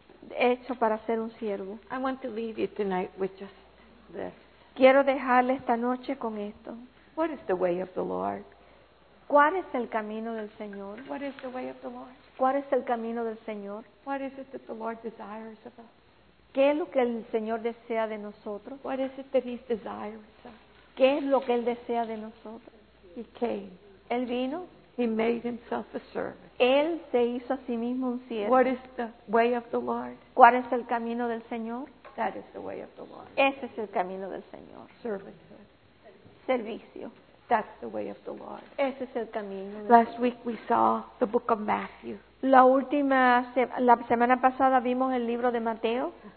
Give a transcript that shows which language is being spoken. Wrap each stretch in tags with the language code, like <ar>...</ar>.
<es>Hecho para ser un siervo.</es> <en>I want to leave you tonight with just this.</en> <es>Quiero dejarle esta noche con esto.</es> <en>What is the way of the Lord?</en> <es>¿Cuál es el camino del Señor?</es> <en>What is the way of the Lord?</en> <es>¿Cuál es el camino del Señor?</es> <en>What is it that the Lord desires of us?</en> <es>¿Qué es lo que el Señor desea de nosotros?</es> <en>What is it that He's desiring of us?</en> <es>¿Qué es lo que Él desea de nosotros?</es> <en>He came.</en> <es>Él vino.</es> <en>He made himself a servant.</en> <es>Él se hizo a sí mismo un siervo.</es> <en>What is the way of the Lord?</en> <es>¿Cuál es el camino del Señor?</es> <en>That is the way of the Lord.</en> <es>Ese es el camino del Señor.</es> <en>Servanthood.</en> <es>Servicio.</es> <en>That's the way of the Lord.</en> <es>Ese es el camino.</es> <en>Last week we saw the book of Matthew.</en> <es>La semana pasada vimos el libro de Mateo.</es>